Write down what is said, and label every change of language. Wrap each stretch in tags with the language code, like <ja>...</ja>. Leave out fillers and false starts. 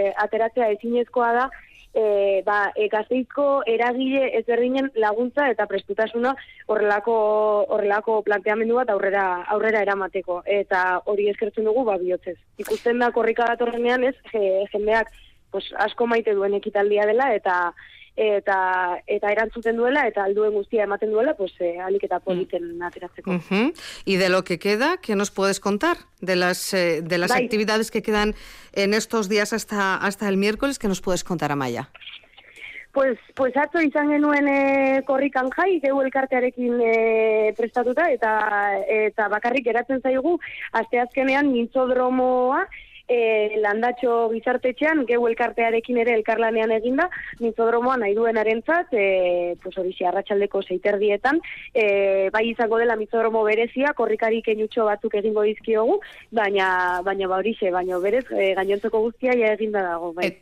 <eu>Ateratzea ezinezkoa da Gasteizko eragile ezberdinen laguntza eta prestutasuna horrelako planteamendu bat aurrera eramateko eta hori eskertzen dugu bihotzez. Ikusten da korrika datorrenean, ez? Jendeak pues asko maite duen ekitaldia dela eta erantzuten duela eta alduen guztia ematen duela, pues alik eta politen ateratzeko.</eu> <es>Y de lo que queda, ¿qué nos puedes contar de las bai. Actividades que quedan en estos días hasta el miércoles, qué nos puedes contar, Amaia?</es> <eu>Pues atzo izan genuen korrikan jai, geu elkartearekin prestatuta eta bakarrik geratzen zaigu asteazkenean mintzodromoa landatxo gizartetxean geu elkartearekin ere elkarlanean eginda mintzodromoa nahi duen arentzat pues hori arratsaldeko 6:30etan bai izango dela mintzodromo berezia, korrikari keinutxo batzuk egingo dizkiogu, baina berez gainontzeko guztia ja eginda dago, bai.</eu>